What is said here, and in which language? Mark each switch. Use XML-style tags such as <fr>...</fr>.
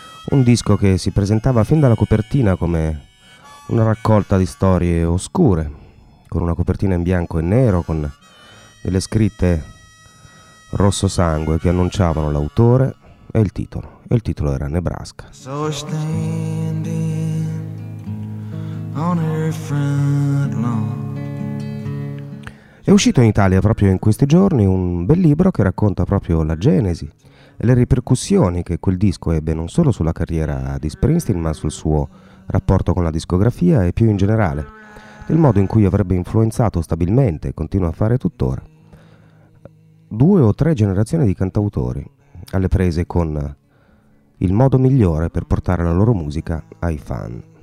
<it>Un disco che si presentava fin dalla copertina come una raccolta di storie oscure, con una copertina in bianco e nero, con delle scritte rosso sangue che annunciavano l'autore e il titolo. E il titolo era Nebraska.</it> <en>So standing on her front lawn.</en> <it>È uscito in Italia proprio in questi giorni un bel libro che racconta proprio la genesi e le ripercussioni che quel disco ebbe non solo sulla carriera di Springsteen, ma sul suo rapporto con la discografia e più in generale del modo in cui avrebbe influenzato stabilmente, e continua a fare tuttora, due o tre generazioni di cantautori alle prese con il modo migliore per portare la loro musica ai fan.</it>